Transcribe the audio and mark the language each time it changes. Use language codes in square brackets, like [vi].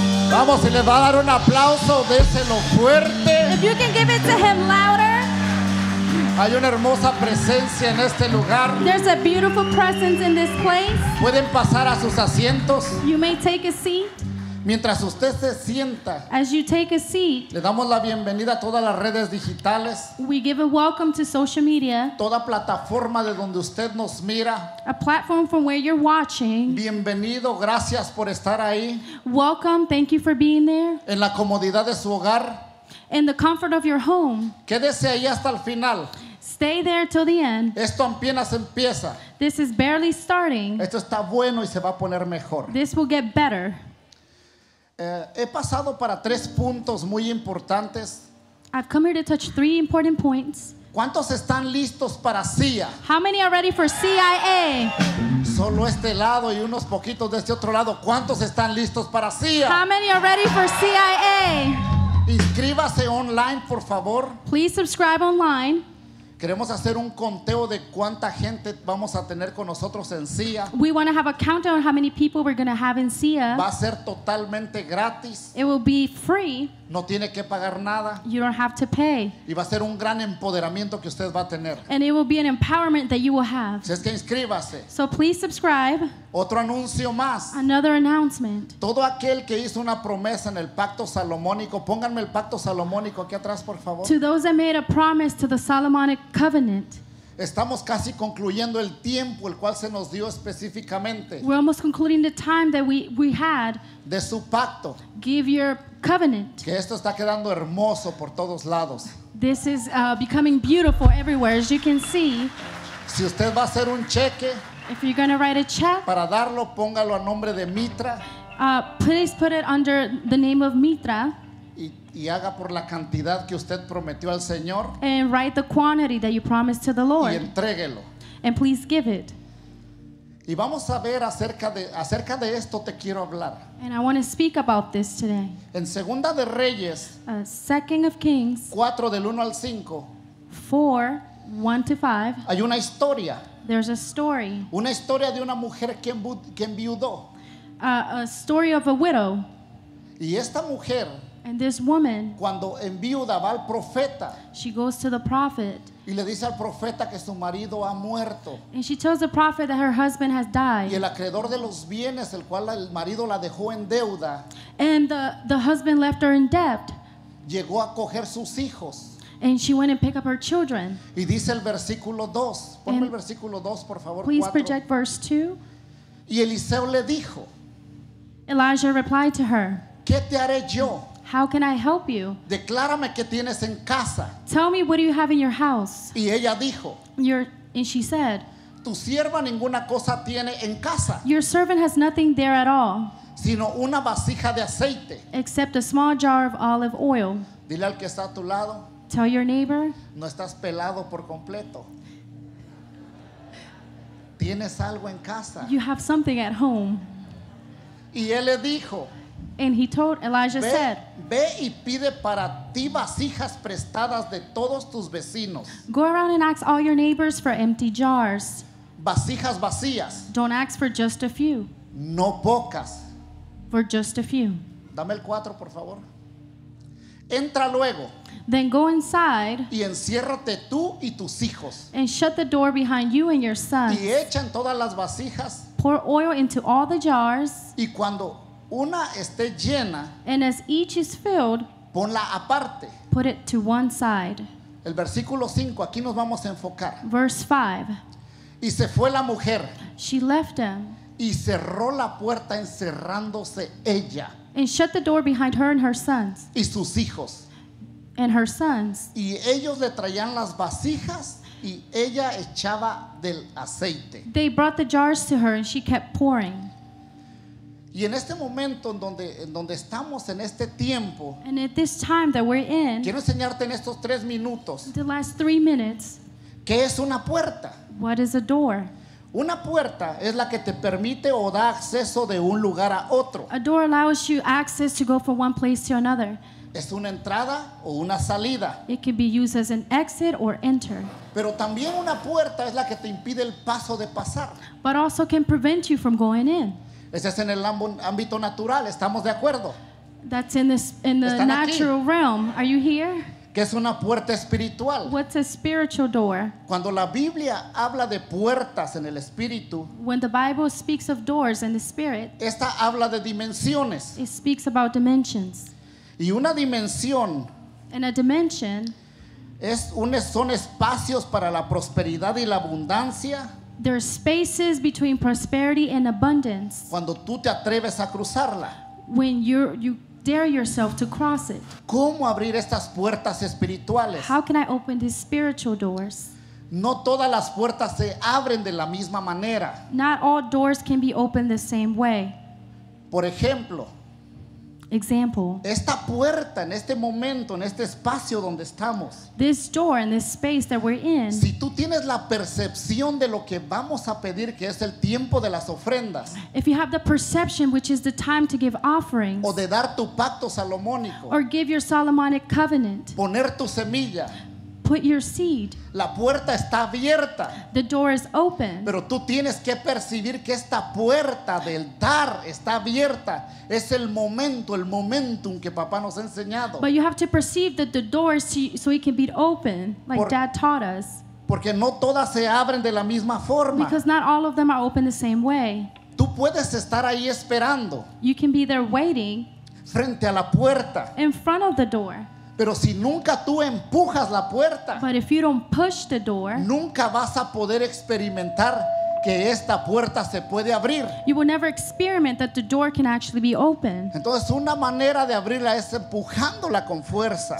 [es] Vamos, si le va a dar un aplauso, déselo fuerte. [en] If you can give it to him louder. [es] Hay una hermosa presencia en este lugar. [en] There's a beautiful presence in this place. [es] Pueden pasar a sus asientos. [en] You may take a seat. [es] Mientras usted se sienta, [en] as you take a seat, [es] le damos la bienvenida a todas las redes digitales. [en] We give a welcome to social media. [es] Toda plataforma de donde usted nos mira. [en] A platform from where you're watching. [es] Bienvenido, gracias por estar ahí. [en] Welcome, thank you for being there. [es] En la comodidad de su hogar. [en] In the comfort of your home. [es] Quédese ahí hasta el final. [en] Stay there till the end. [es] Esto apenas empieza. [en] This is barely starting. [es] Esto está bueno y se va a poner mejor. [en] This will get better. [es] He pasado para tres puntos muy importantes. [en] I've come here to touch three important points. [es] ¿Cuántos están listos para CIA? [en] How many are ready for CIA? [es] Solo este lado y unos poquitos de este otro lado. ¿Cuántos están listos para CIA? [en] How many are ready for CIA? [es] Inscríbase online, por favor. [en] Please subscribe online. [es] Queremos hacer un conteo de cuánta gente vamos a tener con nosotros en CIA. [en] We want to have a countdown on how many people we're going to have in CIA. [es] Va a ser totalmente gratis. [en] It will be free. [es] No tiene que pagar nada. [en] You don't have to pay. [es] Y va a ser un gran empoderamiento que usted va a tener. [en] And it will be an empowerment that you will have. [es] Si es que inscríbase. [en] So please subscribe. [es] Otro anuncio más. [en] Another announcement. [es] Todo aquel que hizo una promesa en el pacto salomónico, pónganme el pacto salomónico aquí atrás, por favor. [en] To those that made a promise to the Solomonic covenant. [es] Estamos casi concluyendo el tiempo el cual se nos dio específicamente. [en] We're almost concluding the time that we had. [es] De su pacto. [en] Give your covenant. [es] Que esto está quedando hermoso por todos lados. [en] This is becoming beautiful everywhere, as you can see. [es] Si usted va a hacer un cheque. [en] If you're going to write a check. [es] Para darlo, póngalo a nombre de Mitra. [en] Please put it under the name of Mitra. [es] Y haga por la cantidad que usted prometió al Señor. [en] And write the quantity that you promised to the Lord. [es] Y entréguelo. [en] And please give it. [es] Y vamos a ver acerca de esto te quiero hablar. [en] And I want to speak about this today. [es] En Segunda de Reyes. [en] Second of Kings. [es] 4 del 1 al 5. [en] 4, 1 to 5. [es] Hay una historia. [en] There's a story. [es] Una historia de una mujer que enviudó. [en] A story of a widow. [es] Y esta mujer. [en] And this woman, [es] cuando enviuda, va al profeta, [en] she goes to the prophet. [es] Y le dice al profeta que su marido ha muerto. [en] And she tells the prophet that her husband has died. [es] Y el acreedor de los bienes, el cual el marido la dejó en deuda. [en] And the husband left her in debt. [es] Llegó a coger sus hijos. [en] And she went and picked up her children. [es] Y dice el versículo 2. Ponme el versículo 2, por favor. [en] Please 4. Project verse 2. [es] Y Eliseo le dijo. [en] Elijah replied to her. [es] ¿Qué te haré yo? [en] How can I help you? [es] Declárame qué tienes en casa. [en] Tell me, what do you have in your house? [es] Y ella dijo. [en] And she said. [es] Tu sierva ninguna cosa tiene en casa. [en] Your servant has nothing there at all. [es] Sino una vasija de aceite. [en] Except a small jar of olive oil. [es] Dile al que está a tu lado. [en] Tell your neighbor. [es] No estás pelado por completo. Tienes algo en casa. [en] You have something at home. [es] Y él le dijo. [en] And he told, Elijah said, [es] ve y pide para ti vasijas prestadas de todos tus vecinos. [en] Go around and ask all your neighbors for empty jars. [es] Vasijas vacías. [en] Don't ask for just a few. [es] No pocas. [en] For just a few. [es] Dame el 4, por favor. Entra luego. [en] Then go inside. [es] Y enciérrate tú y tus hijos. [en] And shut the door behind you and your sons. [es] Y echa en todas las vasijas. [en] Pour oil into all the jars. [es] Y cuando una esté llena, [en] and as each is filled, [es] ponla aparte. [en] Put it to one side. [es] El versículo 5, aquí nos vamos a enfocar. [en] Verse 5. [es] Y se fue la mujer. [en] She left him. [es] Y cerró la puerta encerrándose ella. [en] And shut the door behind her and her sons. [es] Y sus hijos. [en] And her sons. [es] Y ellos le traían las vasijas y ella echaba del aceite. [en] They brought the jars to her and she kept pouring. [es] Y en este momento en donde estamos en este tiempo, [en] and at this time that we're in, [es] quiero enseñarte en estos tres minutos, [en] the last 3 minutes, [es] ¿qué es una puerta? [en] What is a door? [es] Una puerta es la que te permite o da acceso de un lugar a otro. [en] A door allows you access to go from one place to another. [es] Es una entrada o una salida. [en] It can be used as an exit or enter. [es] Pero también una puerta es la que te impide el paso de pasar. [en] But also can prevent you from going in. [es] Ese es en el ámbito natural, ¿estamos de acuerdo? [en] That's in the natural realm. Are you here? [es] ¿Qué es una puerta espiritual? [en] What's a spiritual door? [es] Cuando la Biblia habla de puertas en el espíritu, [en] when the Bible speaks of doors in the spirit, [es] esta habla de dimensiones. [en] It speaks about dimensions. [es] Y una dimensión, [en] and a dimension, [es] son espacios para la prosperidad y la abundancia. [en] There are spaces between prosperity and abundance. [es] Cuando tú te atreves a cruzarla, [en] when you dare yourself to cross it. [es] ¿Cómo abrir estas puertas espirituales? [en] How can I open these spiritual doors? [es] No todas las puertas se abren de la misma manera. [en] Not all doors can be opened the same way. [es] Por ejemplo, [en] example, [es] esta puerta en este momento, en este espacio donde estamos, [en] this door in this space that we're in, [es] si tú tienes la percepción de lo que vamos a pedir, que es el tiempo de las ofrendas, [en] if you have the perception which is the time to give offerings, [es] o de dar tu pacto salomónico, [en] or give your Solomonic covenant, [es] poner tu semilla, [en] put your seed, [es] la puerta está abierta, [en] the door is open, [es] pero tú tienes que percibir que esta puerta del dar está abierta. Es el momentum que papá nos ha enseñado. [en] But you have to perceive that the door is so it can be open, like dad taught us, [es] porque no todas se abren de la misma forma, [en] because not all of them are open the same way. [es] Tú puedes estar ahí esperando, [en] you can be there waiting, [es] frente a la puerta, [en] in front of the door. [es] Pero si nunca tú empujas la puerta, [en] but if you don't push the door, [es] nunca vas a poder experimentar que esta puerta se puede abrir. [en] You will never experiment that the door can actually be open. [es] Entonces una manera de abrirla es empujándola con fuerza.